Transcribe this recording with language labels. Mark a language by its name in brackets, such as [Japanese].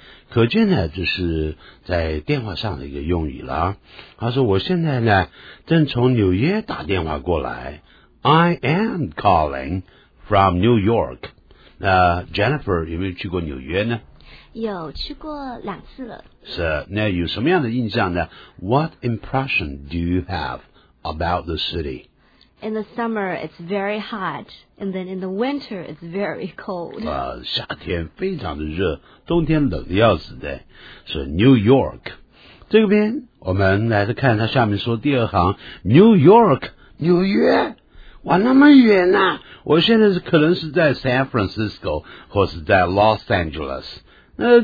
[Chinese] 可见呢，这是在电话上的一个用语啦。他说我现在呢，正从纽约打电话过来。 [English] I am calling from New York. [Chinese] 那 Jennifer 有没有去过纽约呢？有去过两次了。是，那有什么样的印象呢？ [English] What impression do you have about the city? In the summer, it's very hot. And then in the winter, it's very cold. [Chinese] 夏天非常的热，冬天冷的要死的。是 New York. 这边我们来看它下面说第二行 New York, 纽约。哇，那么远啊。我现在可能是在 San Francisco, 或是在 Los Angeles。